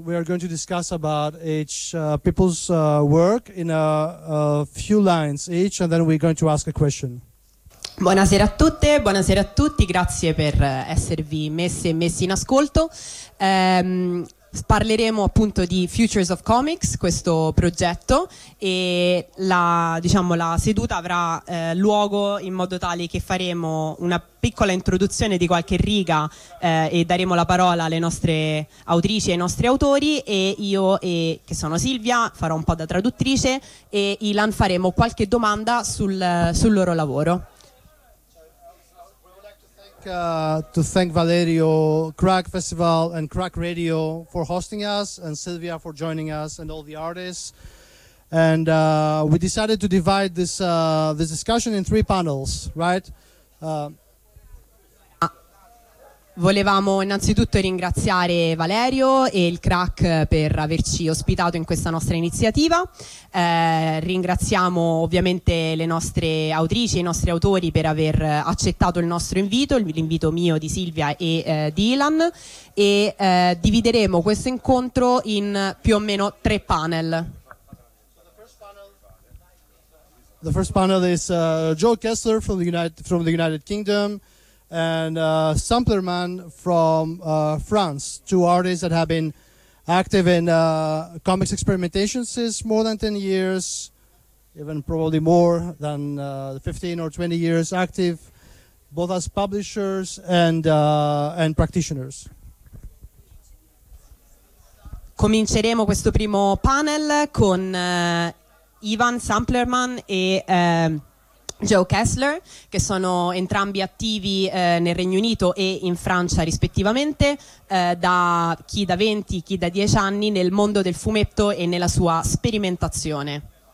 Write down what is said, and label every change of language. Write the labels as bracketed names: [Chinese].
[English] We are going to discuss about each people's work in a few lines each, and then we're going to ask a question. [Italian] Buonasera a tutte, buonasera a tutti, grazie per esservi messe e messi in ascolto. Parleremo appunto di Futures of Comics, questo progetto, e la seduta avrà luogo in modo tale che faremo una piccola introduzione di qualche riga e daremo la parola alle nostre autrici e ai nostri autori, e io, che sono Silvia, farò un po' da traduttrice, e Ilan faremo qualche domanda sul loro lavoro. [English] To thank Valerio, Crack Festival, and Crack Radio for hosting us, and Silvia for joining us, and all the artists. And we decided to divide this discussion in three panels, right? [Italian] Volevamo innanzitutto ringraziare Valerio e il Crack per averci ospitato in questa nostra iniziativa. Ringraziamo ovviamente le nostre autrici e i nostri autori per aver accettato il nostro invito, l'invito mio, di Silvia e di Ilan. E divideremo questo incontro in più o meno tre panel. [English] The first panel is Joe Kessler from the United Kingdom. And Sampler Man from France, two artists that have been active in comics experimentation since more than 10 years, even probably more than 15 or 20 years active, both as publishers and practitioners. [Italian] Cominceremo questo primo panel con Ivan Samplerman e Joe Kessler, che sono entrambi attivi nel Regno Unito e in Francia rispettivamente, da chi da 20, chi da 10 anni nel mondo del fumetto e nella sua sperimentazione.